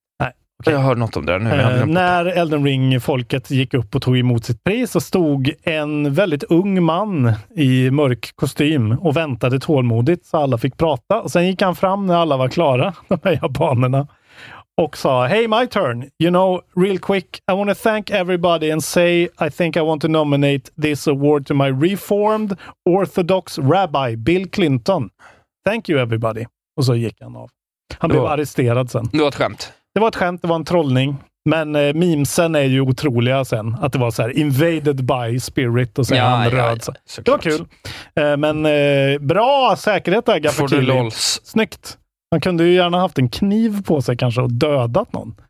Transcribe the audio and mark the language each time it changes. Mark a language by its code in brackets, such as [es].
[sv] Nej, okay. Jag hör något om det nu. När Elden Ring-folket gick upp och tog emot sitt pris så stod en väldigt ung man i mörk kostym och väntade tålmodigt så alla fick prata. Och sen gick han fram när alla var klara, de här japanerna. Och sa, [en] hey, my turn. You know, real quick, I want to thank everybody and say I think I want to nominate this award to my reformed orthodox rabbi, Bill Clinton. Thank you, everybody. [sv] Och så gick han av. Han blev arresterad sen. Det var ett skämt. Det var ett skämt, det var en trollning. Men memesen är ju otroliga sen. Att det var så här [en] invaded by spirit [sv] och sen ja, han röd. Ja, ja. Det var kul. Men bra säkerhet där, Gaffa Killing. Snyggt. Han kunde ju gärna haft en kniv på sig kanske och dödat någon.